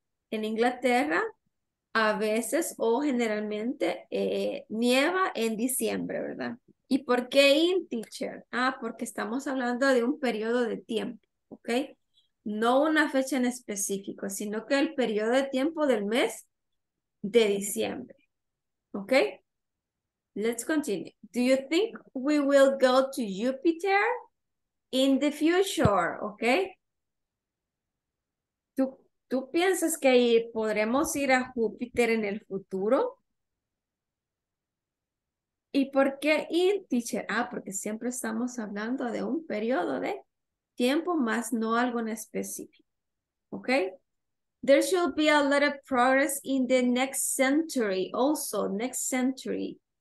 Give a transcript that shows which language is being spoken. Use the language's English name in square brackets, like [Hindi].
[Spanish] En Inglaterra, a veces o generalmente nieva en diciembre, ¿verdad? ¿Y por qué in, teacher? Ah, porque estamos hablando de un periodo de tiempo, ¿ok? No una fecha en específico, sino que el periodo de tiempo del mes de diciembre, ¿ok? [English] Let's continue. Do you think we will go to Jupiter? In the future, ¿ok? [Spanish] ¿Tú piensas que podremos ir a Júpiter en el futuro? ¿Y por qué in, teacher? Ah, porque siempre estamos hablando de un periodo de tiempo más no algo en específico, ¿ok? [English] There should be a lot of progress in the next century, also next century.